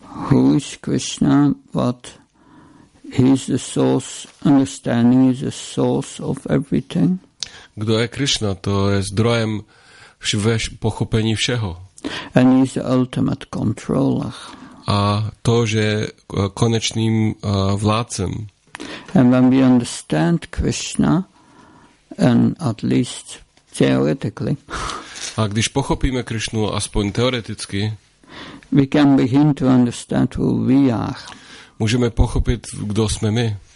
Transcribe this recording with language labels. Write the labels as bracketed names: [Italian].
[English] Who is Krishna, but he is the source, understanding is the source of everything. [Czech] Kdo je Krishna, to je zdrojem pochopení všeho. [English] And he is the ultimate controller. [Czech] A to, že je konečným vládcem. [English] And when we understand Krishna, and at least theoretically. [Czech] A když pochopíme Krishnu, aspoň teoreticky, [English] we can begin to understand who we are. [Slovak] môžeme pochopiť, kto sme my.